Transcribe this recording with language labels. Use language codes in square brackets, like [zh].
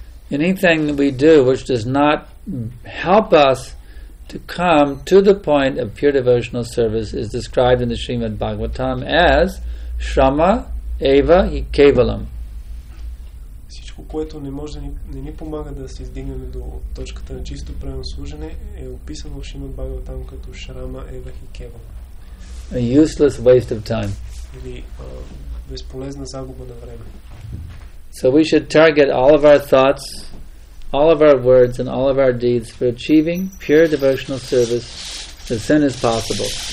[en] Anything that we do which does not help us to come to the point of pure devotional service is described in the Srimad Bhagavatam as Shrama Eva Hi Kevalam. [bg] Всичко, което не може да не ни помага да се издигнем до точката на чисто правилно служене, е описано в Шримад Бхагаватам като Шрама Ева Хи Кевал. [en] A useless waste of time. [bg] Или безполезна загуба на време. [en] So we should target all of our thoughts, all of our words and all of our deeds for achieving pure devotional service as soon as possible.